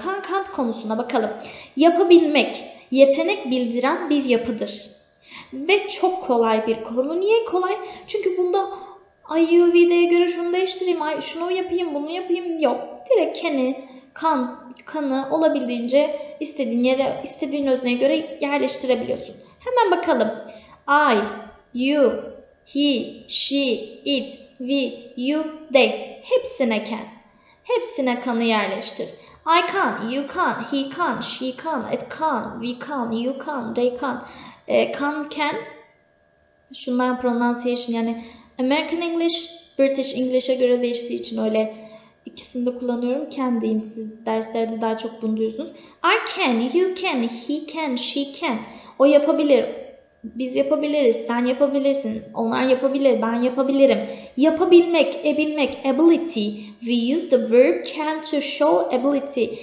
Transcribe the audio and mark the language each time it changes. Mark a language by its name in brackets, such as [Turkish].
[Turkish] Can, can't konusuna bakalım. Yapabilmek, yetenek bildiren bir yapıdır. Ve çok kolay bir konu. Niye kolay? Çünkü bunda IUV'de göre şunu değiştireyim, şunu yapayım, bunu yapayım yok. Direkt can'ı, can, can'ı olabildiğince istediğin yere, istediğin özneye göre yerleştirebiliyorsun. Hemen bakalım. [English] I, you, he, she, it, we, you, they. [Turkish] Hepsine can. Hepsine can'ı yerleştir. [English] I can, you can, he can, she can, it can, we can, you can, they can. [Turkish] Can, can, şundan pronunciation yani American English, British English'e göre değiştiği için öyle ikisini de kullanıyorum. Can diyeyim, siz derslerde daha çok bunu duyuyorsunuz. [English] I can, you can, he can, she can. [Turkish] O yapabilir, Biz yapabiliriz, sen yapabilirsin, onlar yapabilir, ben yapabilirim. Yapabilmek, ability. [English] We use the verb can to show ability.